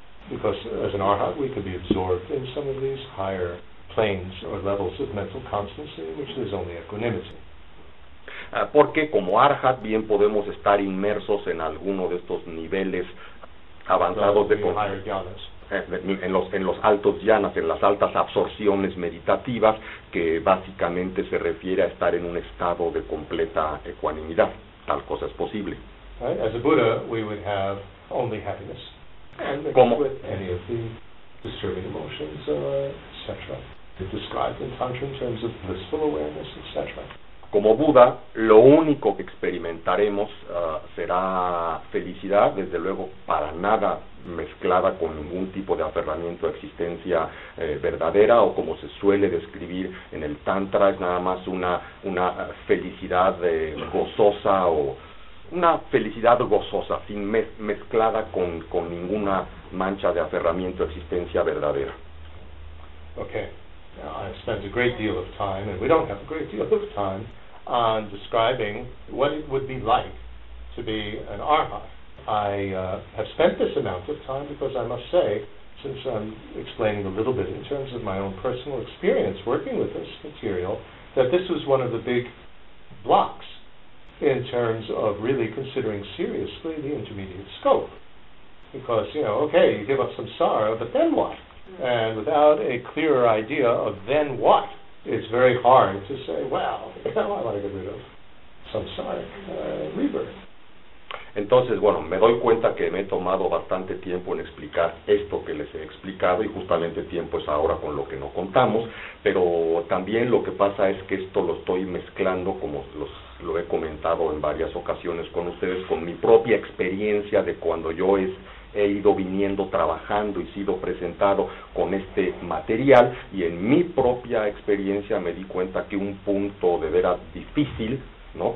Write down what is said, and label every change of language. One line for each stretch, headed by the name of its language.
English: Because as an Arhat, we could be absorbed in some of these higher planes or levels of mental constancy, which is only equanimity.
Spanish: Porque como Arhat, bien podemos estar inmersos en alguno de estos niveles avanzados en los altos yanas, en las altas absorciones meditativas, que básicamente se refiere a estar en un estado de completa ecuanimidad. Tal cosa es posible.
English: Right? As a Buddha, we would have only happiness. And mixed with any of the disturbing emotions, etc. It described in tantra in terms of blissful awareness, etc.
Spanish: Como Buda, lo único que experimentaremos será felicidad, desde luego para nada mezclada con ningún tipo de aferramiento a existencia verdadera, o como se suele describir en el Tantra, es nada más una felicidad gozosa, o una felicidad gozosa, sin mezclada con ninguna mancha de aferramiento a existencia verdadera.
English: Okay. I've spent a great deal of time, and we don't have a great deal of time, on describing what it would be like to be an arhat. I have spent this amount of time because I must say, since I'm explaining a little bit in terms of my own personal experience working with this material, that this was one of the big blocks in terms of really considering seriously the intermediate scope. Because, you know, okay, you give up samsara, but then what? And without a clearer idea of then what, it's very hard to say, well, now I want to get rid of samsara, rebirth.
Spanish: Entonces, bueno, me doy cuenta que me he tomado bastante tiempo en explicar esto que les he explicado, y justamente tiempo es ahora con lo que no contamos, pero también lo que pasa es que esto lo estoy mezclando, como lo he comentado en varias ocasiones con ustedes, con mi propia experiencia de cuando yo he ido viniendo, trabajando y sido presentado con este material, y en mi propia experiencia me di cuenta que un punto de veras difícil, ¿no?